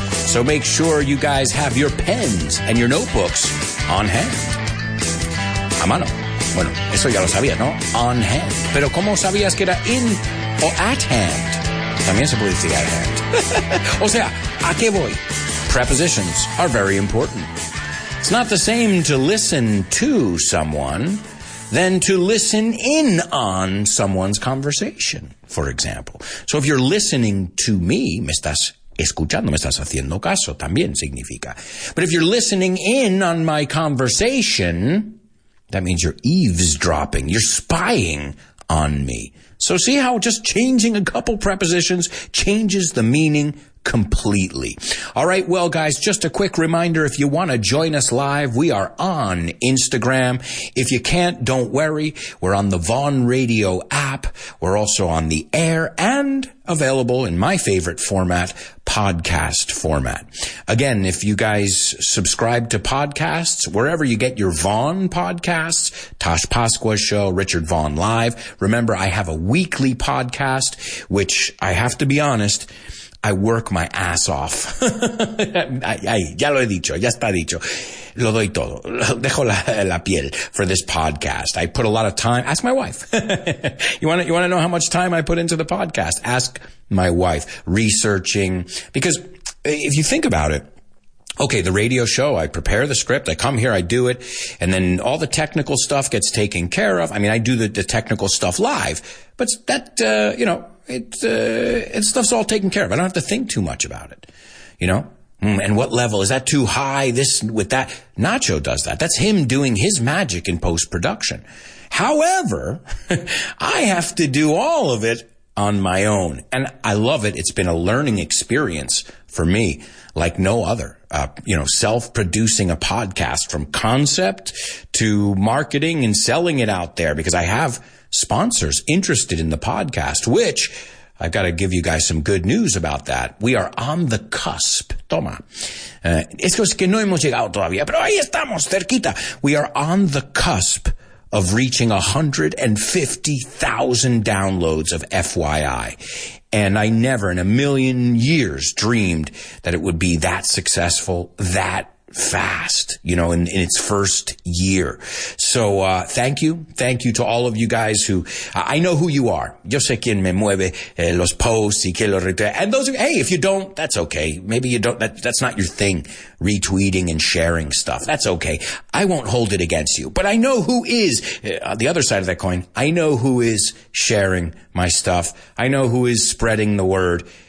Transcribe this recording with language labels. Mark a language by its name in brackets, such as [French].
[English] So make sure you guys have your pens and your notebooks on hand. [Spanish] A mano. Bueno, eso ya lo sabía, ¿no? [English] On hand. [Spanish] Pero ¿cómo sabías que era in o [English] at hand? [Spanish] También se puede decir [English] at hand. [Spanish] O sea, ¿a qué voy? [English] Prepositions are very important. It's not the same to listen to someone than to listen in on someone's conversation, for example. So if you're listening to me, [Spanish] me estás escuchando, me estás haciendo caso, también significa. [English] But if you're listening in on my conversation, that means you're eavesdropping, you're spying on me. So see how just changing a couple prepositions changes the meaning completely. All right, well, guys, just a quick reminder, if you want to join us live, we are on Instagram. If you can't, don't worry. We're on the Vaughan Radio app. We're also on the air and available in my favorite format, podcast format. Again, if you guys subscribe to podcasts, wherever you get your Vaughan podcasts, Tosh Pasqua Show, Richard Vaughan Live, remember, I have a weekly podcast, which I have to be honest, I work my ass off. [Spanish] Ay, ya lo he dicho, ya está dicho. Lo doy todo. Dejo la piel [English] for this podcast. I put a lot of time. Ask my wife. you want to know how much time I put into the podcast? Ask my wife. Researching. Because if you think about it, okay, the radio show, I prepare the script, I come here, I do it, and then all the technical stuff gets taken care of. I mean, I do the technical stuff live, but that, you know, it stuff's all taken care of. I don't have to think too much about it, you know? And what level? Is that too high? This with that? Nacho does that. That's him doing his magic in post-production. However, I have to do all of it on my own. And I love it. It's been a learning experience for me like no other. You know, self-producing a podcast from concept to marketing and selling it out there, because I have sponsors interested in the podcast, which I've got to give you guys some good news about that. We are on the cusp. [Spanish] Toma. Es que no hemos llegado todavía, pero ahí estamos, cerquita. [English] We are on the cusp of reaching 150,000 downloads of FYI. And I never in a million years dreamed that it would be that successful, that fast, you know, in its first year. So, thank you. Thank you to all of you guys who, I know who you are. [Spanish] Yo sé quién me mueve los posts y quién los retweet. [English] And those, hey, if you don't, that's okay. Maybe you don't, that's not your thing. Retweeting and sharing stuff. That's okay. I won't hold it against you, but I know who is the other side of that coin. I know who is sharing my stuff. I know who is spreading the word.